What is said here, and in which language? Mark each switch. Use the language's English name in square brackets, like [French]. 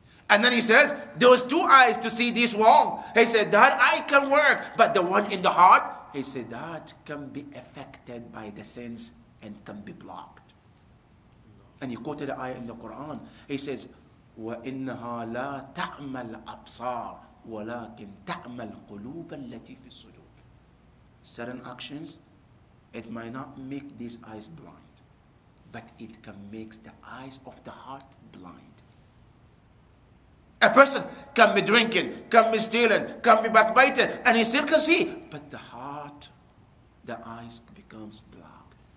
[English] And then he says, those two eyes to see this wall, he said, that eye can work, but the one in the heart, he said, that can be affected by the sense and can be blocked. And he quoted the ayah in the Quran. He says, [Arabic] وَإِنَّهَا لَا تَعْمَ الْأَبْصَارِ وَلَكِنْ تَعْمَ الْقُلُوبَ الَّتِي فِي الصُّدُورِ. [English] Certain actions, it might not make these eyes blind, but it can make the eyes of the heart blind. A person can be drinking, can be stealing, can be backbiting, and he still can see. But the heart, the eyes becomes blocked.